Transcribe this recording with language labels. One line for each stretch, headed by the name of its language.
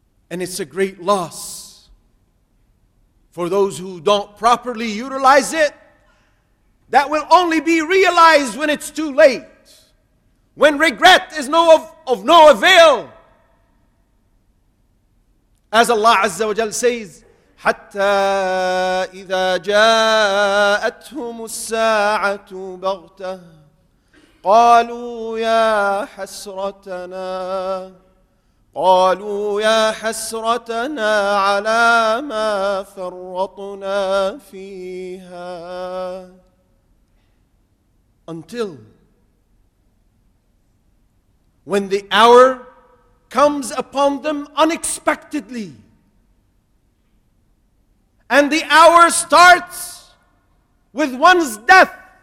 English: And it's a great loss for those who don't properly utilize it. That will only be realized when it's too late, when regret is no avail. As Allah Azza wa Jal says,
Arabic: حَتَّى إِذَا جَاءَتْهُمُ السَّاعَةُ بَغْتَةً قَالُوا يَا حَسْرَتَنَا قَالُوا يَا حَسْرَتَنَا عَلَى مَا فَرَّطْنَا فِيهَا.
English: Until when the hour comes upon them unexpectedly, and the hour starts with one's death.